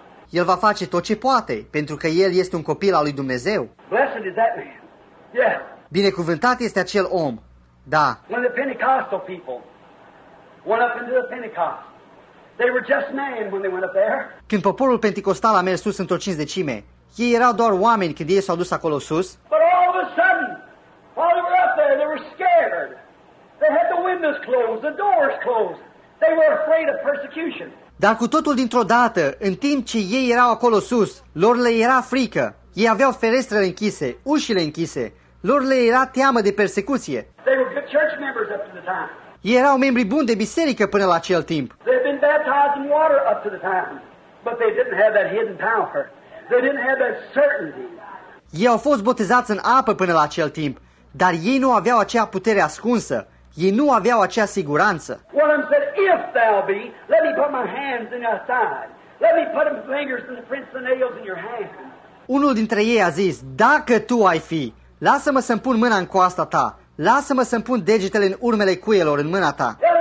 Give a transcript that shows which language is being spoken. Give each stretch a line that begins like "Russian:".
Romanian: El va face tot ce poate, pentru că el este un copil al lui Dumnezeu.
English: Blessed is that man. Yeah.
Romanian: Binecuvântat este acel om. Da.
English: One of the Pentecostal people went up into the Pentecost. They were just men when they went up there.
Romanian: Când poporul pentecostal a mers sus într-o cincizecime, ei erau doar oameni când ei s-au dus acolo sus.
English: But all of a sudden, while they were up there, they were scared. They had the windows closed, the doors closed. They were afraid of persecution.
Romanian: Dar cu totul dintr-o dată, în timp ce ei erau acolo sus, lor le era frică. Ei aveau ferestrele închise, ușile închise. Lor le era teamă de persecuție.
English: They were good church members up to the time.
Romanian: Ei erau membri buni de biserică până la acel timp.
English: They had been baptized in water up to the time, but they didn't have that hidden power. They didn't have that certainty.
Romanian: Ei au fost botezați în apă până la acel timp, dar ei nu aveau acea putere ascunsă. Ei nu aveau acea siguranță.
English: Well, I'm said, if thou be, let me put my hands in your side. Let me put my fingers in the prints of nails in your hands.
Romanian: Unul dintre ei a zis, dacă tu ai fi, lasă-mă să-mi pun mâna în coasta ta. Lasă-mă să-mi pun degetele în urmele cuielor în mâna ta.